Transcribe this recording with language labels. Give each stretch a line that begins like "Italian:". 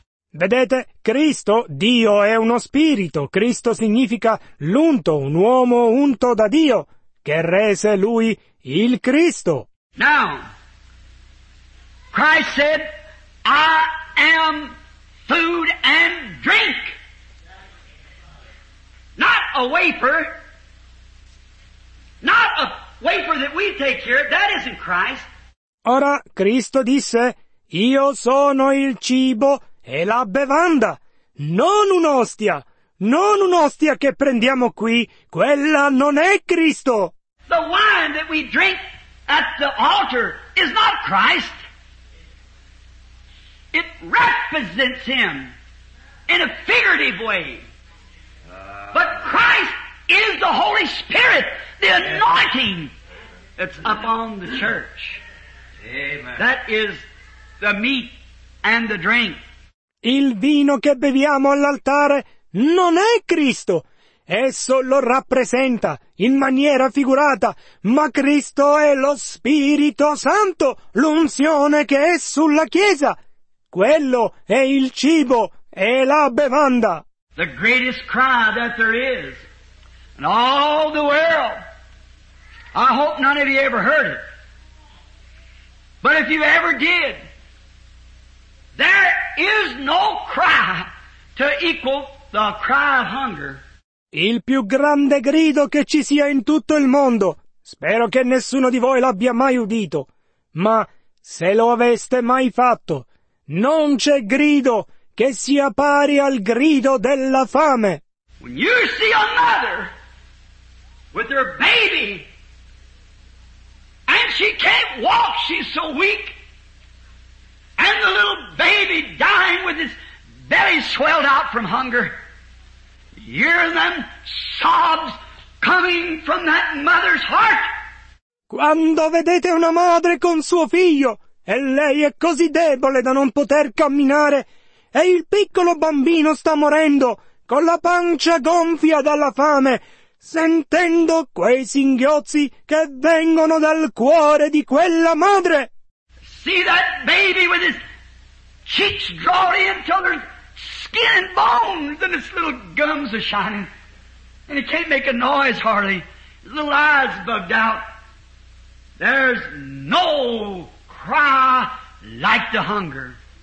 Italian: Vedete, Cristo, Dio, è uno spirito. Cristo significa l'unto, un uomo unto da Dio, che rese lui il Cristo.
English: Now, Christ said, I am food and drink. Not a wafer. Not a wafer that we take here. That isn't Christ.
Italian: Ora, Cristo disse, io sono il cibo e la bevanda, non un'ostia. Non un'ostia che prendiamo qui. Quella non è Cristo.
English: The the wine that we drink at the altar is not Christ. It represents Him in a figurative way. But Christ is the Holy Spirit, the anointing that's upon the church. Amen. That is the meat and the drink.
Italian: Il vino che beviamo all'altare non è Cristo. Esso lo rappresenta in maniera figurata, ma Cristo è lo Spirito Santo, l'unzione che è sulla Chiesa. Quello è il cibo e la bevanda.
English: The greatest cry that there is in all the world. I hope none of you ever heard it. But if you ever did, there is no cry to equal the cry of hunger.
Italian: Il più grande grido che ci sia in tutto il mondo. Spero che nessuno di voi l'abbia mai udito. Ma se lo aveste mai fatto, non c'è grido che sia pari al grido della fame.
English: When you see a mother with her baby and she can't walk, she's so weak, and the little baby dying with his belly swelled out from hunger, hear them sobs coming from that mother's heart.
Italian: Quando vedete una madre con suo figlio e lei è così debole da non poter camminare, e il piccolo bambino sta morendo, con la pancia gonfia dalla fame, sentendo quei singhiozzi che vengono dal cuore di quella madre.
English: See that baby with his cheeks drawn in till there's skin and bones, and his little gums are shining, and he can't make a noise hardly. His little eyes bugged out. There's no cry like the hunger.